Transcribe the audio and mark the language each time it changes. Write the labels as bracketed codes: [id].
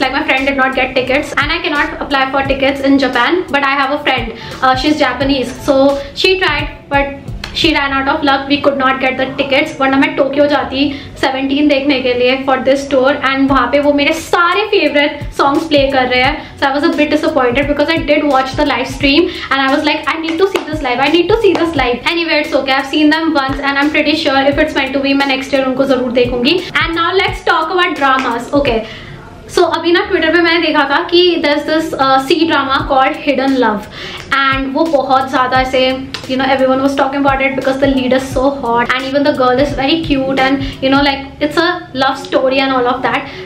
[en] Like my friend did not get tickets, and I cannot apply for tickets in Japan. But I have a friend. She's Japanese, so she tried, but she ran out of luck. We could not get the tickets. [hi] वरना मैं Tokyo जाती 17 देखने के लिए [en] for this tour, [hi] and वहाँ पे वो मेरे सारे favorite songs play कर रहे हैं. [en] So I was a bit disappointed because I did watch the live stream and I was like, I need to see this live. Anyway, it's okay. I've seen them once and I'm pretty sure if it's meant to be, [hi] मैं next year उनको जरूर देखूँगी. [en] And now let's talk about dramas. Okay. So [hi] अभी ना Twitter पे मैंने देखा था कि [en] there's this sea drama called Hidden Love and [hi] वो बहुत ज़्यादा ऐसे, [en] you know, everyone was talking about it because the lead is so hot and even the girl is very cute and you know like it's a love story and all of that.